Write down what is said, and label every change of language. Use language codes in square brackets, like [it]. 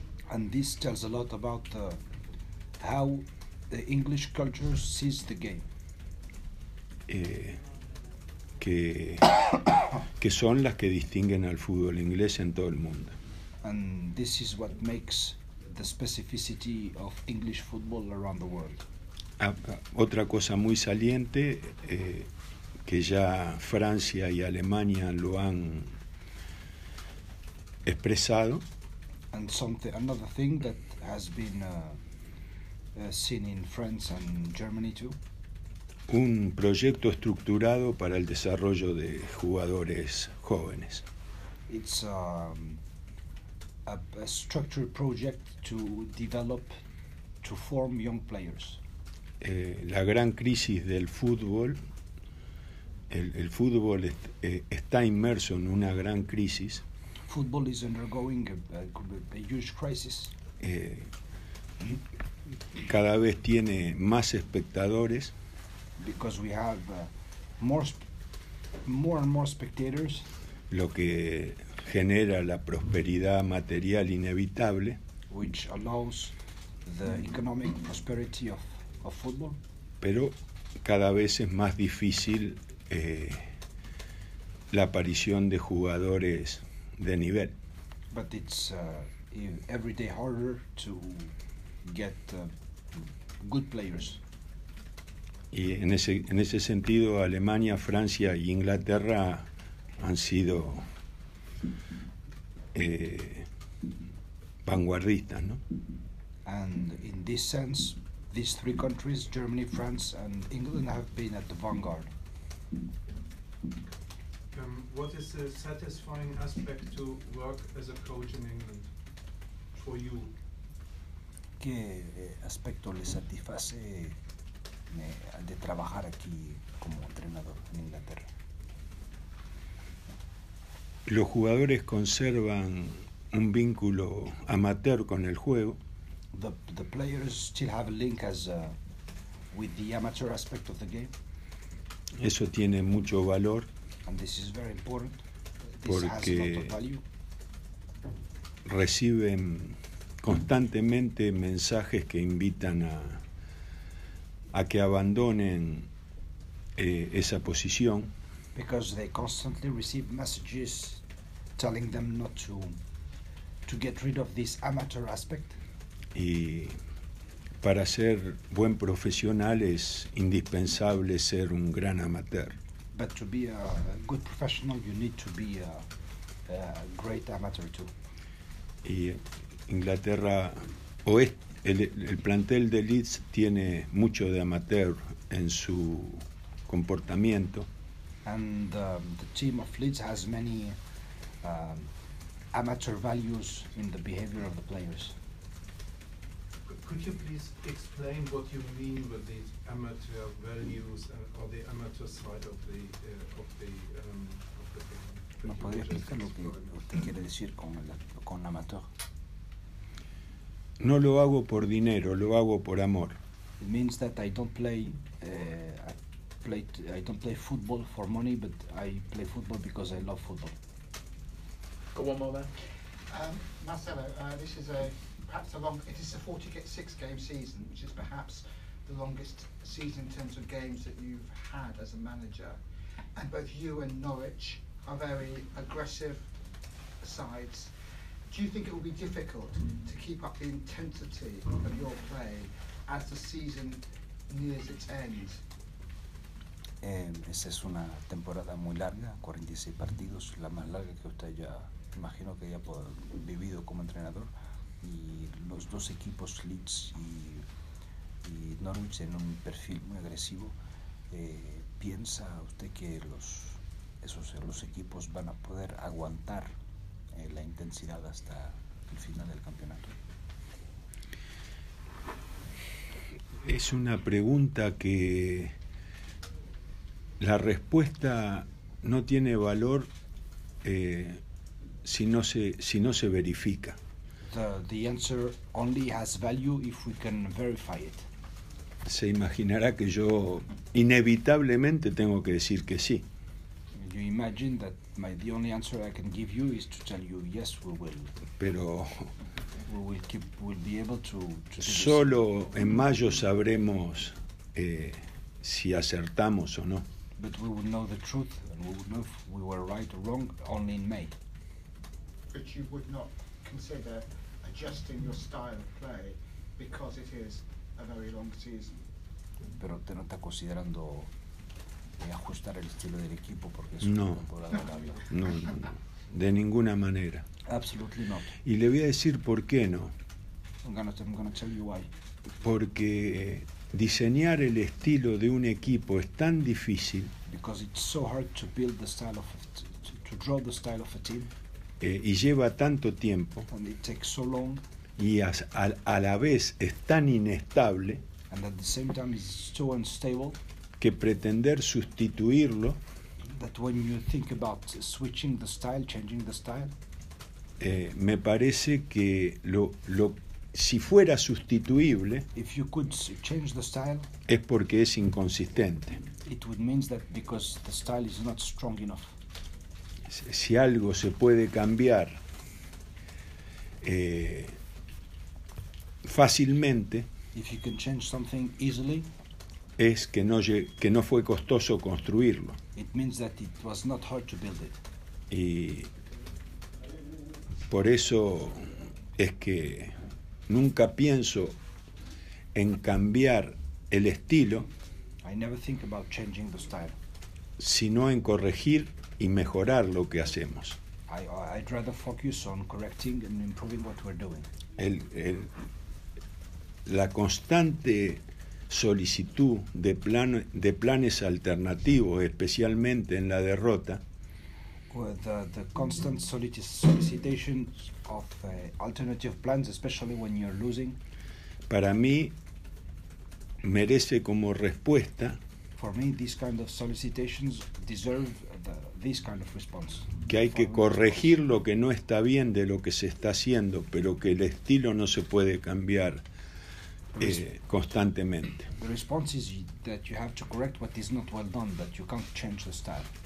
[en] And this tells a lot about how the English culture sees the game. [es] Que son las que distinguen al fútbol inglés en todo el mundo. [en] And this is what makes the specificity of English football around the world. [es] Otra cosa muy saliente que ya Francia y Alemania lo han expresado. [en] And something, another thing that has been seen in France and Germany too. [es] Un proyecto estructurado para el desarrollo de jugadores jóvenes. [en] It's a structured project to develop, to form young players. [es] La gran crisis del fútbol, el fútbol está inmerso en una gran crisis. [en] Football is undergoing a huge crisis. [es] Cada vez tiene más espectadores. [en] Because we have more and more spectators. [es] Lo que genera la prosperidad material inevitable. [en] Which allows the economic prosperity of football. [es] Pero cada vez es más difícil la aparición de jugadores de nivel. [en] But it's every day harder to get good players. [es] Y en ese sentido Alemania, Francia y Inglaterra han sido vanguardistas, ¿no? [en] And in this sense, these three countries, Germany, France and England, have been at the vanguard. What is the satisfying aspect to work as a coach in England for you? [es] ¿Qué aspecto le satisface de trabajar aquí como entrenador en Inglaterra? Los jugadores conservan un vínculo amateur con el juego. [en] The players still have a link as with the amateur aspect of the game. [es] Eso tiene mucho valor. [en] And this is very important. [es] Porque [en] has a lot of value. [es] Reciben constantemente mensajes que invitan a que abandonen esa posición. [en] Because they constantly receive messages telling them not to get rid of this amateur aspect. [es] Y para ser buen profesional es indispensable ser un gran amateur. [en] But to be a good professional you need to be a great amateur too. [es] Y Inglaterra Oeste, el plantel de Leeds tiene mucho de amateur en su comportamiento. [en] And the team of Leeds has many amateur values in the behavior of the players. Could you please explain what you mean with these amateur values or the amateur side of the game? [es] ¿No podría explicar lo que usted quiere decir con amateur? No lo hago por dinero, lo hago por amor. [en] It means that I don't play football for money, but I play football because I love football. Got one more there. Marcelo, this is a 46 game season, which is perhaps the longest season in terms of games that you've had as a manager. And both you and Norwich are very aggressive sides. Do you think it will be difficult to keep up the intensity of your play as the season nears its end? [es] Esa es una temporada muy larga, 46 partidos, la más larga que usted ya imagino que haya vivido como entrenador. Y los dos equipos, Leeds y Norwich, en un perfil muy agresivo. ¿Piensa usted que los equipos van a poder aguantar la intensidad hasta el final del campeonato? Es una pregunta que la respuesta no tiene valor si no se verifica. [en] The answer only has value if we can verify it. [es] Se imaginará que yo inevitablemente tengo que decir que sí. [en] you imagine that my the only answer I can give you is to tell you yes, we will. [es] Pero [en] we will keep, we'll be able to [es] solo en mayo sabremos si acertamos o no. [en] But we will know the truth, and we will know if we were right or wrong only in May. But you would not consider adjusting your style of play because it is a very long season. [es] Pero te no está considerando ajustar el estilo del equipo porque es una temporada larga. No, no, no, de ninguna manera. [en] Absolutely not. [es] Y le voy a decir por qué no. [en] I'm gonna tell you why. [es] Porque diseñar el estilo de un equipo es tan difícil. [en] Because it's so hard to build the style of to draw the style of a team. [es] Y lleva tanto tiempo. [en] And it takes so long. [es] Y a la vez es tan inestable. [en] And at the same time is so unstable. [es] Que pretender sustituirlo. [en] That when you think about switching the style, changing the style. [es] Me parece que lo si fuera sustituible, [en] if you could change the style, [es] es porque es inconsistente. [en] It would mean that because the style is not strong enough. [es] Si algo se puede cambiar fácilmente, [en] if you can change something easily, [es] es que no fue costoso construirlo. [en] It means that it was not hard to build it. [es] Y por eso es que nunca pienso en cambiar el estilo, [en] I never think about changing the style, [es] sino en corregir y mejorar lo que hacemos. [en] I'd rather focus on correcting and improving what we're doing. [es] La constante solicitud de planes alternativos, especialmente en la derrota, [en] The constant solicitation of alternative plans, especially when you're losing, [es] para mí merece como respuesta. [en] For me, these kind of solicitations deserve this kind of response. [es] Que hay que corregir lo que no está bien de lo que se está haciendo, pero que el estilo no se puede cambiar constantemente. [en] The response is that you have to correct what is not well done, but you can't change the style.